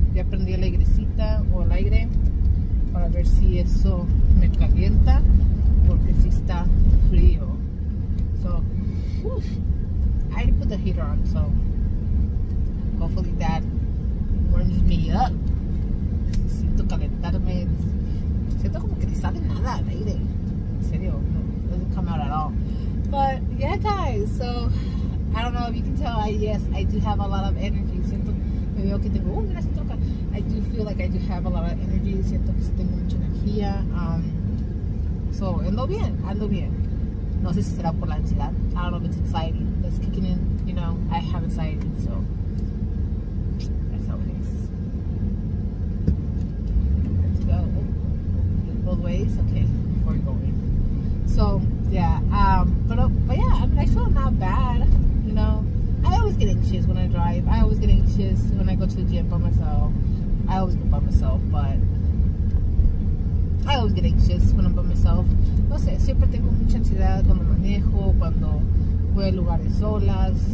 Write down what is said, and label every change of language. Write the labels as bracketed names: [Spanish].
[Spanish] Ya prendí el airecita o el aire para ver si eso me calienta, porque sí está frío. [English] So, whew, I put the heater on, so hopefully that warms me up. [Spanish] Siento calentarme. Siento como que ni sale nada al aire. En serio, no, [English] it doesn't come out at all. But yeah, guys, so I don't know if you can tell, I do have a lot of energy. [Spanish] Siento, me veo que tengo, mira, siento que, [English] I do feel like I do have a lot of energy. [Spanish] Siento que tengo mucha energía. So, ando bien. No sé si será por la ansiedad. [English] I don't know if it's anxiety that's kicking in. You know, I have anxiety, so that's how it is. Let's go. Both ways? Okay, before going. So, yeah. But yeah, I mean, I feel not bad. You know, I always get anxious when I drive. I always get anxious when I go to the gym by myself. I always go by myself, but I always get anxious when I'm by myself. [Spanish] No sé, siempre tengo mucha ansiedad cuando manejo, cuando voy a lugares solas.